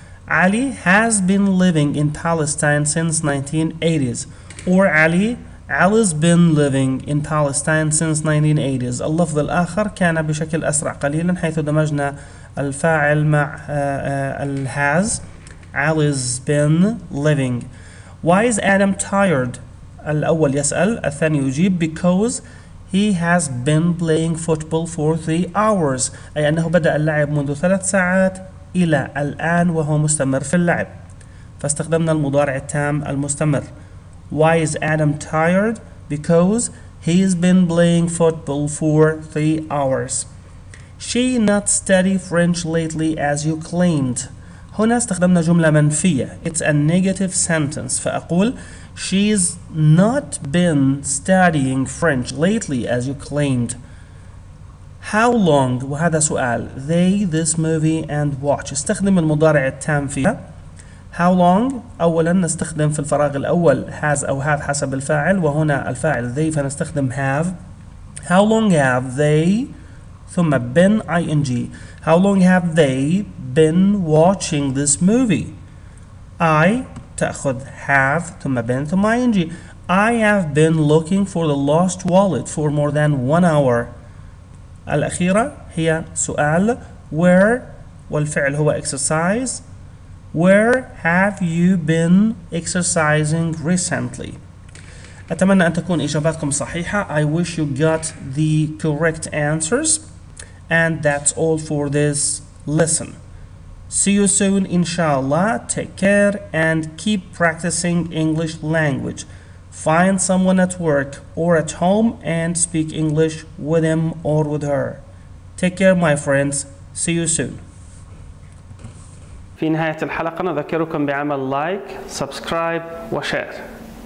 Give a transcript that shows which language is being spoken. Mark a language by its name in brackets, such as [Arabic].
[English] Ali has been living in Palestine since 1980s. Or Ali's been living in Palestine since 1980s. [Arabic] اللفظ الآخر كان بشكل أسرع قليلا حيث دمجنا الفاعل مع has. [English] Ali's been living. Why is Adam tired? [Arabic] الأول يسأل، الثاني يجيب. [English] Because he has been playing football for 3 hours. [Arabic] أي أنه بدأ اللعب منذ 3 ساعات إلى الآن وهو مستمر في اللعب، فاستخدمنا المضارع التام المستمر. [English] Why is Adam tired? Because he's been playing football for 3 hours. She not study French lately as you claimed. [Arabic] هنا استخدمنا جملة منفية. [English] It's a negative sentence. [Arabic] فأقول [English] She's not been studying French lately as you claimed. How long, [Arabic] وهذا سؤال, [English] they, this movie, and watch. [Arabic] استخدم المضارع التام فيها. [English] How long, [Arabic] أولا نستخدم في الفراغ الأول has أو have حسب الفاعل، وهنا الفاعل they فنستخدم have. [English] How long have they, [Arabic] ثم [English] been ing. How long have they been watching this movie? I, [Arabic] تأخذ [English] have, [Arabic] ثم [English] been, ثم ing. I have been looking for the lost wallet for more than 1 hour. [Arabic] الأخيرة هي سؤال where، والفعل هو exercise. [English] Where have you been exercising recently؟ [Arabic] أتمنى أن تكون إجاباتكم صحيحة. [English] I wish you got the correct answers. And that's all for this lesson. See you soon inshallah. Take care and keep practicing English language. Find someone at work or at home and speak English with him or with her. Take care, my friends. See you soon. [Arabic] في نهاية الحلقة نذكركم بعمل لايك، سبسكرايب وشير.